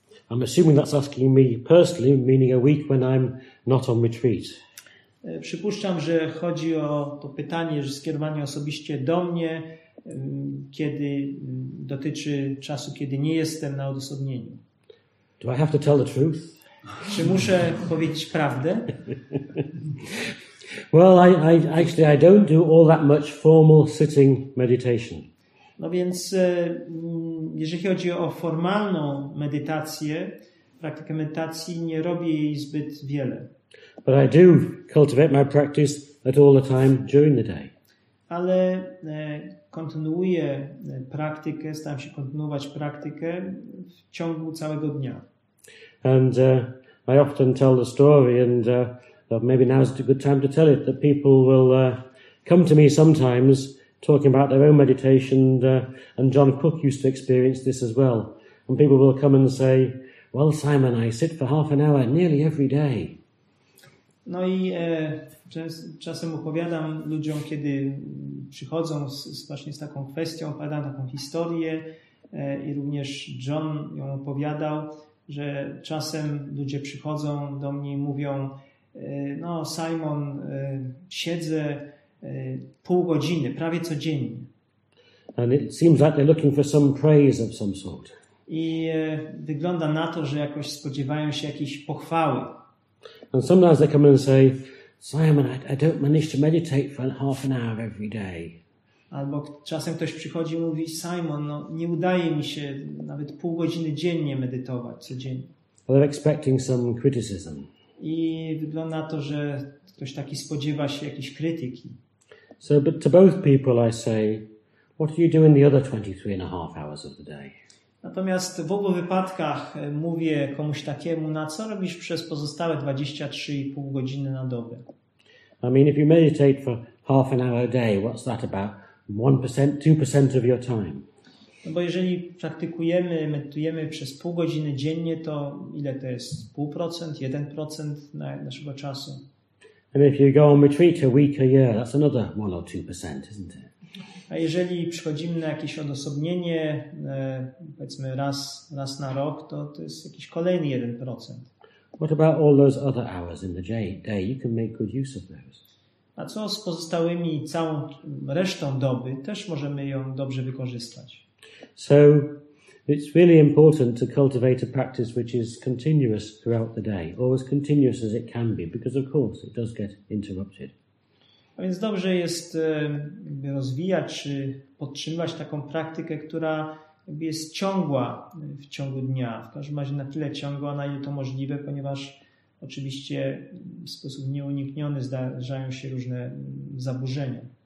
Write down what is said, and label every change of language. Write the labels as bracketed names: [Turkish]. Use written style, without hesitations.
[English] I'm assuming that's asking me personally, meaning a week when I'm not on retreat. [Polish] Przypuszczam, że chodzi o to pytanie, że skierowanie osobiście do mnie, kiedy dotyczy czasu, kiedy nie jestem na odosobnieniu. [English] Do I have to tell the truth? [Polish] Czy muszę powiedzieć prawdę? [English] Well, I don't do all that much formal sitting meditation. [Polish] No więc, jeżeli chodzi o formalną medytację, praktykę medytacji, nie robię jej zbyt wiele. [English] But I do cultivate my practice at all the time during the day. [Polish] Ale kontynuuję praktykę, staram się kontynuować praktykę w ciągu całego dnia. [English] And I often tell the story, and maybe now is a good time to tell it, that people will come to me sometimes talking about their own meditation, and John Cook used to experience this as well. And people will come and say, well, Simon, I sit for half an hour nearly every day. [Polish] No i czasem opowiadam ludziom, kiedy przychodzą właśnie z taką kwestią, opowiadam taką historię, i również John ją opowiadał, że czasem ludzie przychodzą do mnie i mówią, no Simon, siedzę pół godziny, prawie codziennie. [English] And it seems like they're looking for some praise of some sort. [Polish] I wygląda na to, że jakoś spodziewają się jakiejś pochwały. [English] And sometimes they come and say, Simon, I don't manage to meditate for half an hour every day. [Polish] Albo czasem ktoś przychodzi i mówi, Simon, no nie udaje mi się nawet pół godziny dziennie medytować, codziennie. [English] Well, they're expecting some criticism. [Polish] I wygląda na to, że ktoś taki spodziewa się jakiejś krytyki. [English] So, but to both people I say, what are you doing the other 23 and a half hours of the day? [Polish] Natomiast w obu wypadkach mówię komuś takiemu, na co robisz przez pozostałe 23,5 godziny na dobę. [English] I mean, if you meditate for half an hour a day, what's that about? 1%, 2% of your time. [Polish] No bo jeżeli praktykujemy, medytujemy przez pół godziny dziennie, to ile to jest? 0,5%, 1% naszego czasu? [English] And if you go on retreat a week, a year, that's another 1 or 2%, isn't it? [Polish] A jeżeli przychodzimy na jakieś odosobnienie, powiedzmy raz na rok, to jest jakiś kolejny 1%. [English] What about all those other hours in the day? You can make good use of those. [Polish] A co z pozostałymi, całą resztą doby? Też możemy ją dobrze wykorzystać. [English] So it's really important to cultivate a practice which is continuous throughout the day, or as continuous as it can be, because of course it does get interrupted. [Polish] A więc dobrze jest rozwijać czy podtrzymywać taką praktykę, która jest ciągła w ciągu dnia. W każdym razie na tyle ciągła, na ile to możliwe, ponieważ oczywiście w sposób nieunikniony zdarzają się różne zaburzenia.